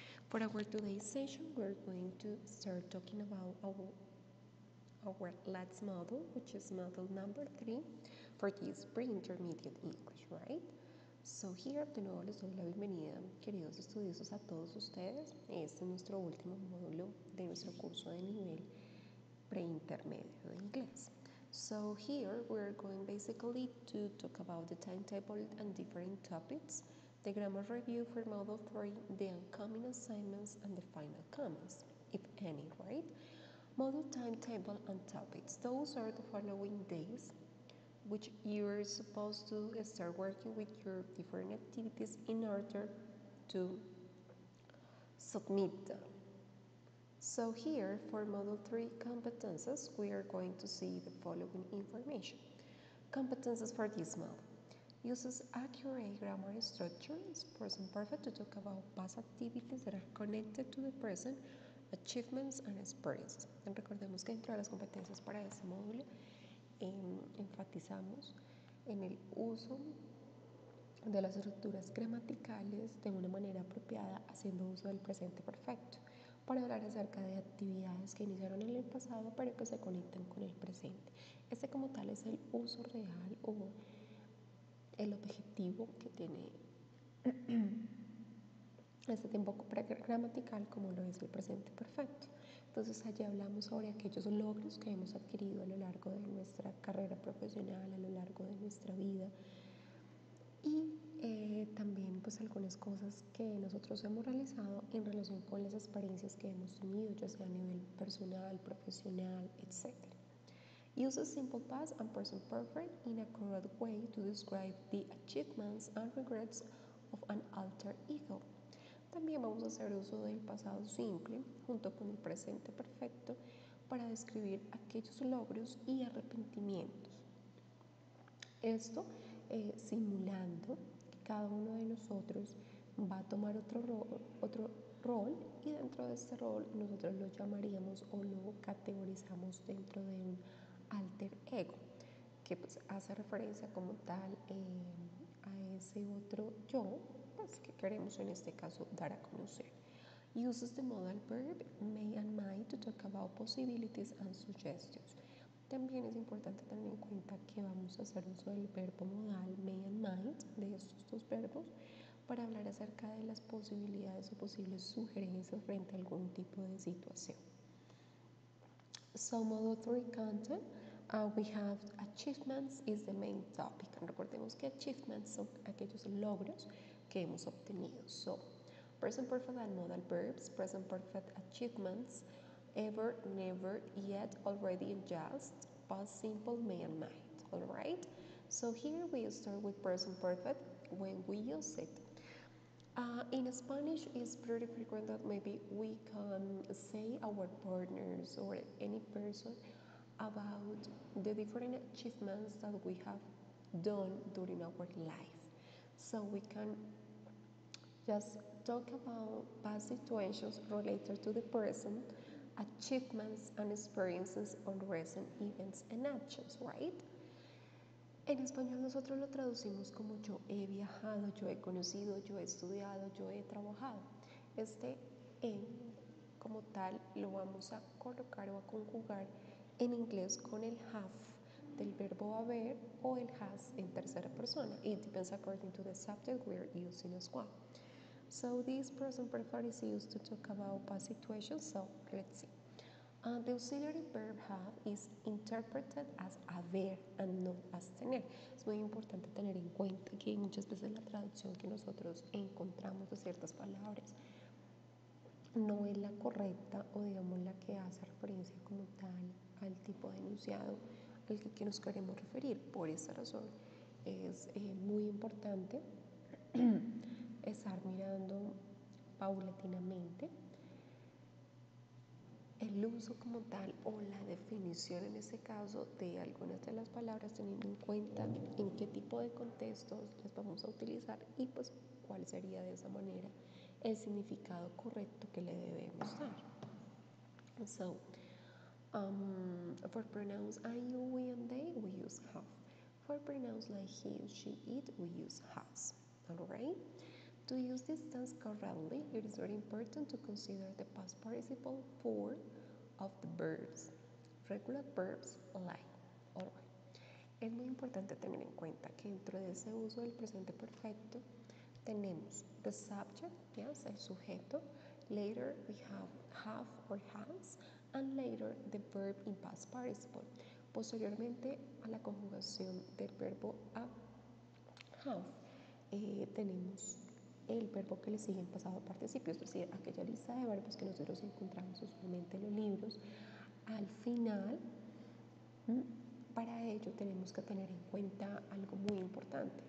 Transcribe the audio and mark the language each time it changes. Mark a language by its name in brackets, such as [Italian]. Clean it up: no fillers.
[English] For our today's session, we're going to start talking about our last module, which is module number 3 for this pre-intermediate English, right? So here, [Spanish] de nuevo, les doy la bienvenida, queridos estudiosos, a todos ustedes. Este es nuestro último módulo de nuestro curso de nivel pre-intermedio de inglés. [English] So here we're going basically to talk about the timetable and different topics, the grammar review for module 3, the upcoming assignments, and the final comments, if any, right? Module timetable and topics. Those are the following days which you're supposed to start working with your different activities in order to submit them. So here, for Module 3 competences, we are going to see the following information. Competences for this module. Uses accurate grammar structures, present perfect to talk about past activities that are connected to the present, achievements and experiences. [Spanish] Recordemos que dentro de las competencias para este módulo, enfatizamos en el uso de las estructuras gramaticales de una manera apropiada, haciendo uso del presente perfecto. Para hablar acerca de actividades que iniciaron en el pasado, pero que se conecten con el presente. Este como tal es el uso real o el objetivo que tiene este tiempo gramatical, como lo es el presente perfecto. Entonces, allí hablamos sobre aquellos logros que hemos adquirido a lo largo de nuestra carrera profesional, a lo largo de nuestra vida. Y también pues algunas cosas que nosotros hemos realizado en relación con las experiencias que hemos tenido, ya sea a nivel personal, profesional, etc. [English] Use a simple past and present perfect in a correct way to describe the achievements and regrets of an alter ego. [Spanish] También vamos a hacer uso del pasado simple junto con el presente perfecto para describir aquellos logros y arrepentimientos. Esto simulando cada uno de nosotros va a tomar otro rol y dentro de este rol nosotros lo llamaríamos o lo categorizamos dentro de un alter ego, que pues hace referencia como tal a ese otro yo pues, que queremos en este caso dar a conocer. [English] Uses the modal verb may and might to talk about possibilities and suggestions. [Spanish] También es importante tener en cuenta que vamos a hacer uso del verbo modal, may and might, de estos dos verbos, para hablar acerca de las posibilidades o posibles sugerencias frente a algún tipo de situación. [English] So, Module 3 content, we have achievements is the main topic. [Spanish] Recordemos que achievements son aquellos logros que hemos obtenido. [English] So, present perfect and modal verbs, present perfect achievements, ever, never, yet, already, and just, past simple, may and might, all right? So here we start with present perfect when we use it. In Spanish, it's pretty frequent that maybe we can say our partners or any person about the different achievements that we have done during our life. So we can just talk about past situations related to the present, achievements and experiences on recent events and actions, right? [Spanish] En español nosotros lo traducimos como yo he viajado, yo he conocido, yo he estudiado, yo he trabajado. Este como tal lo vamos a colocar o a conjugar en inglés con el have del verbo haber o el has en tercera persona. [English] It depends according to the subject we're using as well. So this present perfect is used to talk about past situations, so let's see. The auxiliary verb have is interpreted as haber and not as tener. [Spanish] Es muy importante tener en cuenta que muchas veces la traducción que nosotros encontramos de ciertas palabras no es la correcta o digamos la que hace referencia como tal al tipo de enunciado al que nos queremos referir. Por esa razón es muy importante estar mirando paulatinamente el uso como tal o la definición en ese caso de algunas de las palabras teniendo en cuenta en qué tipo de contextos las vamos a utilizar y pues cuál sería de esa manera el significado correcto que le debemos dar. [English] So, for pronouns I, you, we, and they, we use have. For pronouns like he, she, it, we use has. Alright? To use this tense correctly, it is very important to consider the past participle for of the verbs. Regular verbs like. Alright. [Spanish] Es muy importante tener en cuenta que dentro de ese uso del presente perfecto tenemos [English] the subject, yes, [Spanish] el sujeto. [English] Later we have or has, and later the verb in past participle. [Spanish] Posteriormente a la conjugación del verbo a have, tenemos el verbo que le sigue en pasado participio, es decir, aquella lista de verbos que nosotros encontramos usualmente en los libros. Al final, para ello tenemos que tener en cuenta algo muy importante.